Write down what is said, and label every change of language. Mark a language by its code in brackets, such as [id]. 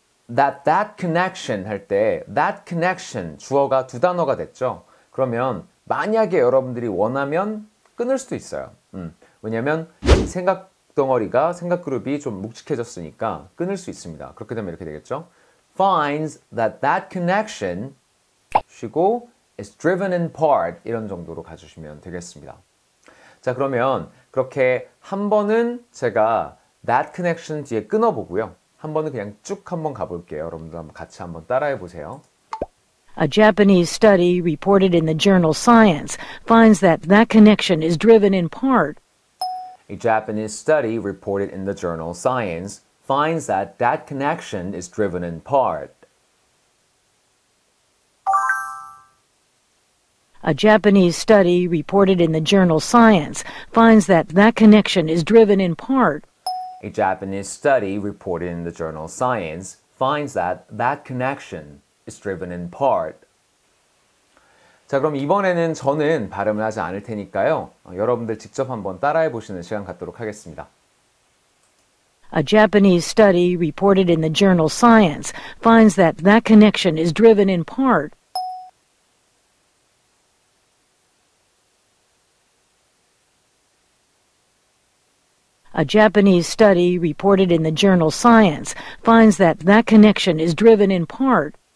[en] That connection [ko] 할 때 [en] that connection [ko] 주어가 두 단어가 됐죠. 그러면 만약에 여러분들이 원하면 끊을 수도 있어요. 왜냐면 생각 덩어리가 생각 그룹이 좀 묵직해졌으니까 끊을 수 있습니다. 그렇게 되면 이렇게 되겠죠. [en] finds that that connection [ko] 쉬고 [en] is driven in part [ko] 이런 정도로 가주시면 되겠습니다. 자, 그러면 그렇게 한 번은 제가 [en] that connection [ko] 뒤에 끊어보고요. 한 번은 그냥 쭉 한번 가볼게요. 여러분들 한번 같이 한번 따라해 보세요. [en] A Japanese study reported in the journal Science finds that that connection is driven in part. A Japanese study reported in the journal Science finds that that connection is driven in part. A Japanese study reported in the journal Science finds that that connection is driven in part. A Japanese study reported in the journal Science finds that that connection is driven in part. [ko] 자, 그럼 이번에는 저는 발음을 하지 않을 테니까요. 여러분들 직접 한번 따라해 보시는 시간 갖도록 하겠습니다. [en] A Japanese study reported in the journal Science finds that that connection is driven in part. A Japanese study reported in the journal Science finds that that connection is driven in part.